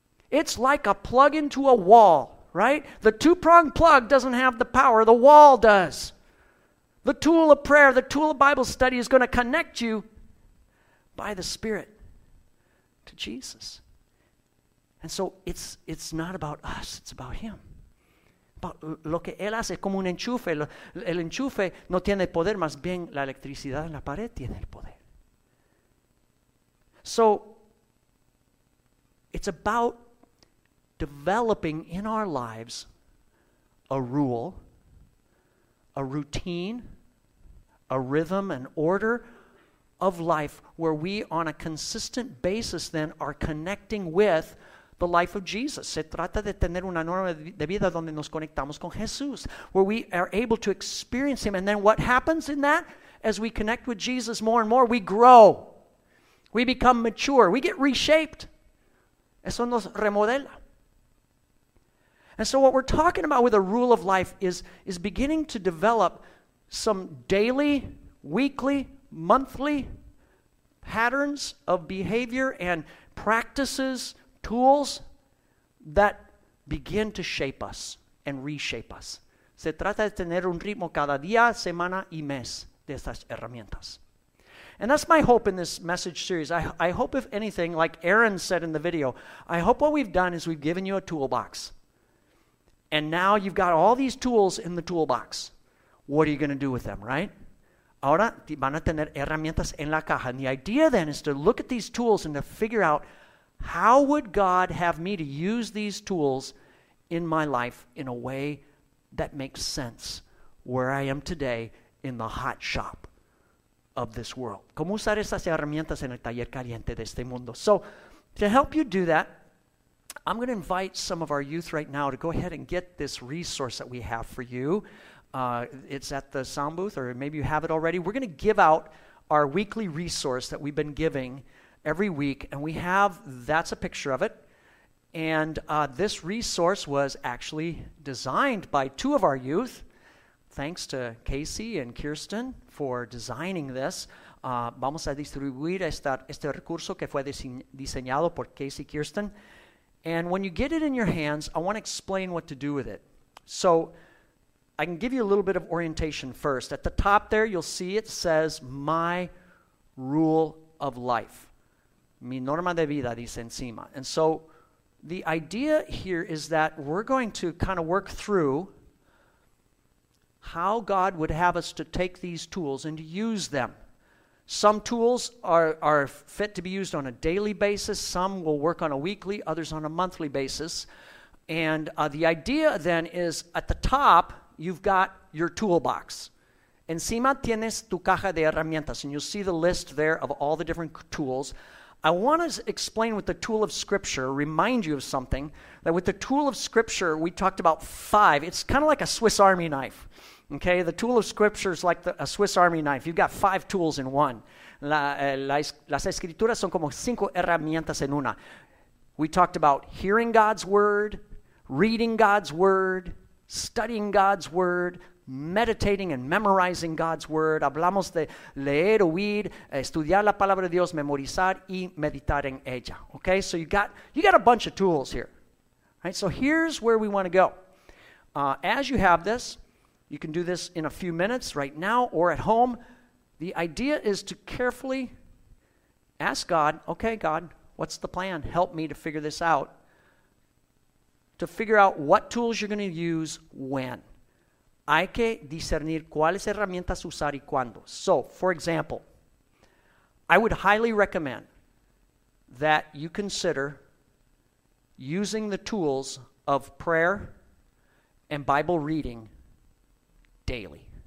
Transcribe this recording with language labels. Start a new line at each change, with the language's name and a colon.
English: It's like a plug into a wall, right? The two-pronged plug doesn't have the power. The wall does. The tool of prayer, the tool of Bible study is going to connect you by the Spirit to Jesus. And so it's not about us, it's about him.
Spanish: But lo que él hace es como un enchufe. El enchufe no tiene poder, más bien la electricidad en la pared tiene el poder.
English: So it's about developing in our lives a rule, a routine, a rhythm, an order of life where we on a consistent basis then are connecting with the life of Jesus.
Spanish: Se trata de tener una norma de vida donde nos conectamos con Jesús,
English: where we are able to experience him. And then what happens in that? as we connect with Jesus more and more, we grow. We become mature. We get reshaped.
Spanish: Eso nos remodela.
English: And so what we're talking about with a rule of life is beginning to develop some daily, weekly, monthly patterns of behavior and practices, tools that begin to shape us and reshape us.
Spanish: Se trata de tener un ritmo cada día, semana y mes de estas herramientas.
English: And that's my hope in this message series. I hope if anything, like Aaron said in the video, I hope what we've done is we've given you a toolbox. And now you've got all these tools in the toolbox. What are you going to do with them, right?
Spanish: Ahora van a tener herramientas en la caja.
English: And the idea then is to look at these tools and to figure out how would God have me to use these tools in my life in a way that makes sense where I am today in the hot shop of this world.
Spanish: ¿Cómo usar esas herramientas en el taller caliente de este mundo?
English: So to help you do that, I'm going to invite some of our youth right now to go ahead and get this resource that we have for you. It's at the sound booth, or maybe you have it already. We're going to give out our weekly resource that we've been giving every week, and we have, that's a picture of it. And this resource was actually designed by two of our youth. Thanks to Casey and Kirsten for designing this.
Spanish: Vamos a distribuir este recurso que fue diseñado por Casey Kirsten.
English: And when you get it in your hands, I want to explain what to do with it. So I can give you a little bit of orientation first. At the top there, you'll see it says, My Rule of Life.
Spanish: Mi norma de vida, dice encima.
English: And so the idea here is that we're going to kind of work through how God would have us to take these tools and to use them. Some tools are fit to be used on a daily basis. Some will work on a weekly, others on a monthly basis. And the idea then is at the top, you've got your toolbox.
Spanish: Encima tienes tu caja de herramientas.
English: And you'll see the list there of all the different tools. I want to explain with the tool of Scripture, remind you of something, that with the tool of Scripture, we talked about five. It's kind of like a Swiss Army knife. Okay, the tool of Scripture is like a Swiss Army knife. You've got five tools in one.
Spanish: Las escrituras son como cinco herramientas en una.
English: We talked about hearing God's word, reading God's word, studying God's word, meditating and memorizing God's word.
Spanish: Hablamos de leer, oír, estudiar la palabra de Dios, memorizar y meditar en ella.
English: Okay, so you got a bunch of tools here. All right, so here's where we want to go. As you have this, you can do this in a few minutes right now or at home. The idea is to carefully ask God, okay, God, what's the plan? Help me to figure this out. To figure out what tools you're going to use when.
Spanish: Hay que discernir cuáles herramientas usar y cuándo.
English: So, for example, I would highly recommend that you consider using the tools of prayer and Bible reading daily.